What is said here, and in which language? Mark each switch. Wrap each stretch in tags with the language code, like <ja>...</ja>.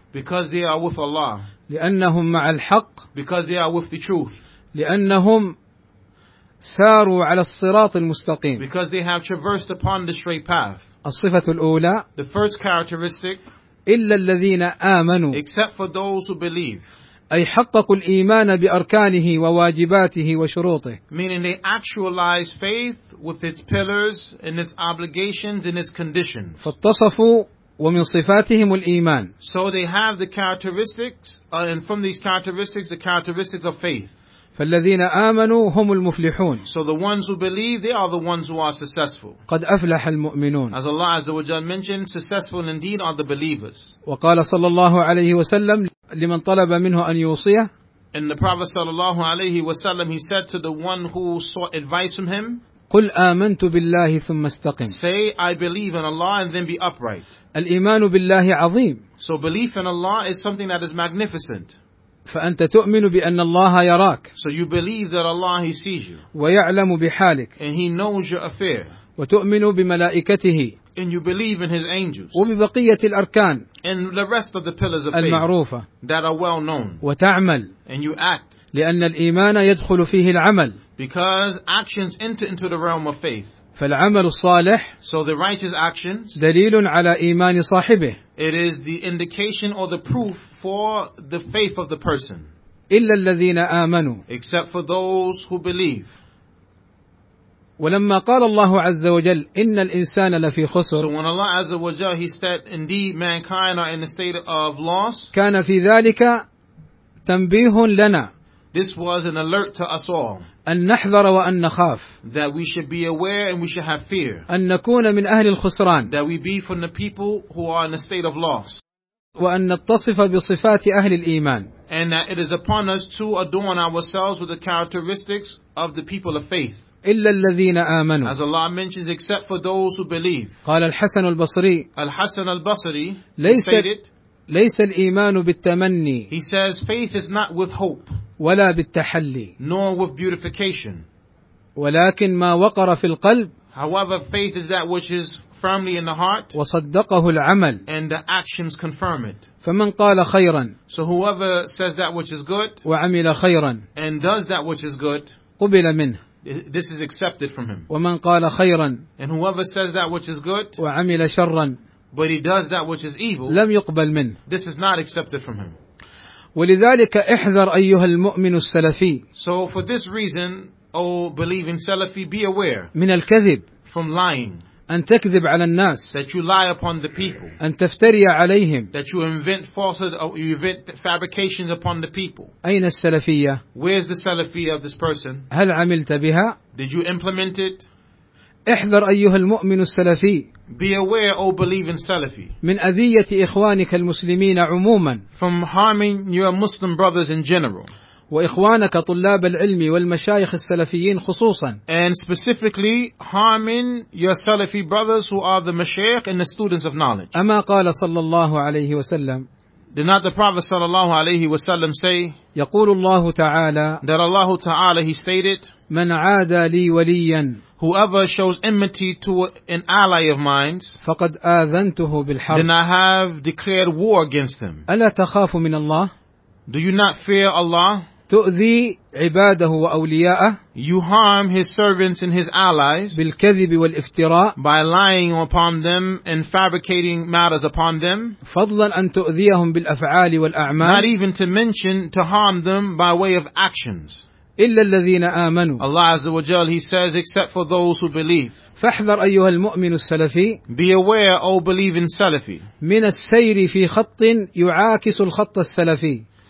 <en>Because they are with Allah.</en> <ar>لأنهم مع الحق.</ar> <en>Because they are with the truth.</en> <ar>لأنهم ساروا على الصراط المستقيم.</ar> <en>Because they have traversed upon the straight path.</en> <ar>الصفة الأولى.</ar> <en>The first characteristic.</en> <ar>إلا الذين آمنوا.</ar> <en>Except for those who believe.</en> <ar>أي حققوا الإيمان بأركانه وواجباته وشروطه.</ar> <en>Meaning they actualize faith with its pillars and its obligations and its conditions.</en> <ar>فاتصفوا ومن صفاتهم الإيمان.</ar> <en>So they have the characteristics, and from these characteristics, the characteristics of faith.</en> <ar>فالذين آمنوا هم المفلحون.</ar> <en>So the ones who believe, they are the ones who are successful.</en> <ar>قد أفلح المؤمنون.</ar> <en>As Allah Azza wa Jalla mentioned, successful indeed are the believers.</en> <ar>وقال صلى الله عليه وسلم لمن طلب منه أن يوصيه.</ar> <en>And the Prophet</en> <ar>صلى الله عليه وسلم,</ar> <en>he said to the one who sought advice from him.</en> <ar>قل آمنت بالله ثم استقم.</ar> <en>Say I believe in Allah and then be upright.</en> <ar>الإيمان بالله عظيم.</ar> <en>So belief in Allah is something that is magnificent.</en> <ar>فأنت تؤمن بأن الله يراك.</ar> <en>So you believe that Allah he sees you.</en> <ar>ويعلم بحالك.</ar> <en>And he knows your affair.</en> <ar>وتؤمن بملائكته.</ar> <en>And you believe in his angels.</en> <ar>وببقية الأركان.</ar> <en>And the rest of the pillars of faith.</en> <ar>المعروفة.</ar> <en>That are well known.</en> <ar>وتعمل.</ar> <en>And you act.</en> <ar>لأن الإيمان يدخل فيه العمل.</ar> <en>Because actions enter into the realm of faith.</en> <ar>فالعمل الصالح.</ar> <en>So the righteous actions.</en> <ar>دليل على إيمان صاحبه.</ar> <en>It is the indication or the proof for the faith of the person.</en> <ar>إلا الذين آمنوا.</ar> <en>Except for those who believe.</en> <ar>ولما قال الله عز وجل إن الإنسان لفي خسر.</ar> <en>So when Allah</en> <ar>عز وجل</ar> <en>he said indeed mankind are in a state of loss.</en> <ar>كان في ذلك تنبيه لنا.</ar> <en>This was an alert to us all.</en> <ar>أن نحذر وأن نخاف.</ar> <en>That we should be aware and we should have fear.</en> <ar>أن نكون من أهل الخسران.</ar> <en>That we be from the people who are in a state of loss.</en> <ar>وأن نتصف بصفات أهل الإيمان.</ar> <en>And that it is upon us to adorn ourselves with the characteristics of the people of faith.</en> <ar>إلا الذين آمنوا.</ar> <en>As Allah mentions, except for those who believe.</en> <ar>قال الحسن البصري. الحسن البصري. ليس الإيمان بالتمني.</ar> <en>He says, faith is not with hope.</en> <ar>ولا بالتحلي.</ar> <en>Nor with beautification.</en> <ar>ولكن ما وقر في القلب.</ar> <en>However, faith is that which is firmly in the heart.</en> <ar>وصدقه العمل.</ar> <en>And the actions confirm it.</en> <ar>فمن قال خيرا.</ar> <en>So whoever says that which is good.</en> <ar>وعمل خيرا.</ar> <en>And does that which is good.</en> <ar>قبل منه.</ar> <en>This is accepted from him.</en> <ar>ومن قال خيرا.</ar> <en>And whoever says that which is good.</en> <ar>وعمل شرا.</ar> <en>But he does that which is evil.</en> <ar>لم يقبل منه.</ar> <en>This is not accepted from him.</en> <ar>ولذلك احذر أيها المؤمن السلفي.</ar> <en>So for this reason, O believing Salafi, be aware.</en> <ar>من الكذب.</ar> <en>From lying.</en> <ar>أن تكذب على الناس.</ar> <en>That you lie upon the people.</en> <ar>أن تفتري عليهم.</ar> <en>That you invent falsehood or you invent fabrications upon the people.</en> <ar>أين السلفية؟</ar> <en>Where's the Salafi of this person?</en> <ar>هل عملت بها؟</ar> <en>Did you implement it?</en> <ar>احذر أيها المؤمن السلفي.</ar> <en>Be aware, O believing Salafi.</en> <ar>من أذية إخوانك المسلمين عموما.</ar> <en>From harming your Muslim brothers in general.</en> <ar>وإخوانك طلاب العلم والمشايخ السلفيين خصوصا.</ar> <en>And specifically harming your Salafi brothers who are the mashayikh and the students of knowledge.</en> <ar>أما قال صلى الله عليه وسلم.</ar> <en>Did not the Prophet</en> <ar>صلى الله عليه وسلم</ar> <en>say.</en> <ar>يقول الله تعالى.</ar> <en>That Allah</en> <ar>تعالى</ar> <en>he stated.</en> <ar>من عادى لي وليا.</ar> <en>Whoever shows enmity to an ally of mine,</en> <ar>فقد آذنته بالحرب.</ar> <en>Then I have declared war against him.</en> <ar>ألا تخاف من الله؟</ar> <en>Do you not fear Allah?</en> <ar>تؤذي عباده وأولياءه.</ar> <en>You harm his servants and his allies.</en> <ar>بالكذب والافتراء.</ar> <en>By lying upon them and fabricating matters upon them.</en> <ar>فضلا أن تؤذيهم بالأفعال والأعمال.</ar> <en>Not even to mention to harm them by way of actions.</en> <ar>إلا الذين آمنوا.</ar> <en>Allah Azza wa Jal, He says, except for those who believe.</en> <ar>فاحذر أيها المؤمن السلفي.</ar> <en>Be aware, O believing Salafi.</en> <ar>من السير في خط يعاكس الخط السلفي.</ar>